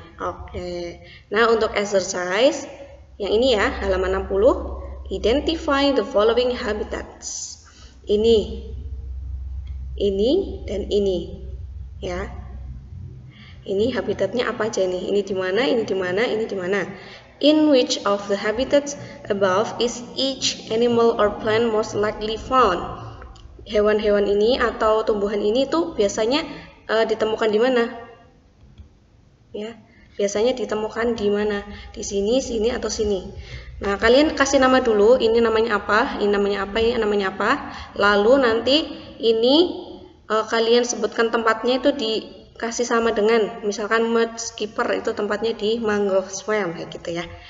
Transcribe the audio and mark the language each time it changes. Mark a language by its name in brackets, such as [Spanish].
[Indonesian] Oke. Nah, untuk exercise, yang ini ya, halaman 60, identify the following habitats. Ini, dan ini. Ya. Ini habitatnya apa aja nih? Ini di mana? Ini di mana? Ini di mana? [English] In which of the habitats above is each animal or plant most likely found? [Indonesian] Hewan-hewan ini atau tumbuhan ini tuh biasanya ditemukan di mana? Ya, biasanya ditemukan di mana? Di sini, sini, atau sini? Nah, kalian kasih nama dulu. Ini namanya apa? Ini namanya apa? Ini namanya apa? Lalu nanti ini kalian sebutkan tempatnya itu di kasih sama dengan, misalkan mud skipper itu tempatnya di mangrove swamp, kayak gitu ya.